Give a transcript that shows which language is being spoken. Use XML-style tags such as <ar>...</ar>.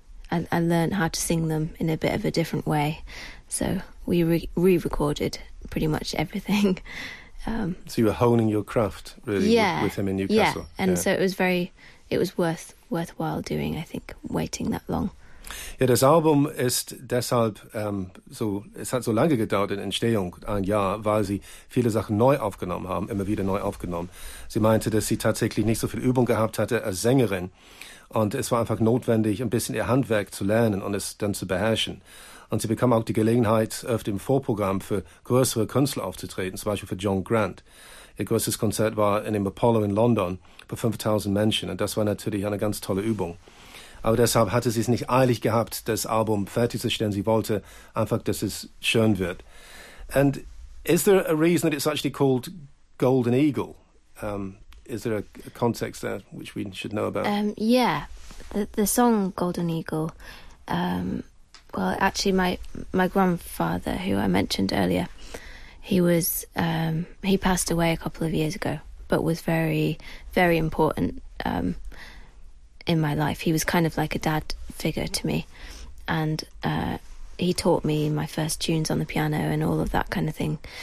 <en>I learnt how to sing them in a bit of a different way. So we re-recorded pretty much everything. So you were honing your craft, really, with him in Newcastle. Yeah, so it was worthwhile doing, I think, waiting that long.</en> <de>Ja, das Album ist deshalb es hat so lange gedauert in Entstehung, ein Jahr, weil sie viele Sachen neu aufgenommen haben, immer wieder neu aufgenommen. Sie meinte, dass sie tatsächlich nicht so viel Übung gehabt hatte als Sängerin und es war einfach notwendig, ein bisschen ihr Handwerk zu lernen und es dann zu beherrschen. Und sie bekam auch die Gelegenheit, öfter im Vorprogramm für größere Künstler aufzutreten, zum Beispiel für John Grant. Ihr größtes Konzert war in dem Apollo in London für 5000 Menschen und das war natürlich eine ganz tolle Übung. Aber deshalb hatte sie es nicht eilig gehabt, das Album fertigzustellen. Sie wollte einfach, dass es schön wird.</de> <en>And is there a reason that it's actually called Golden Eagle? Is there a context there which we should know about? Yeah, the song Golden Eagle. Well, actually, my grandfather, who I mentioned earlier, he was he passed away a couple of years ago, but was very, very important in my life. He was kind of like a dad figure to me, and he taught me my first tunes on the piano and all of that kind of thing.</en>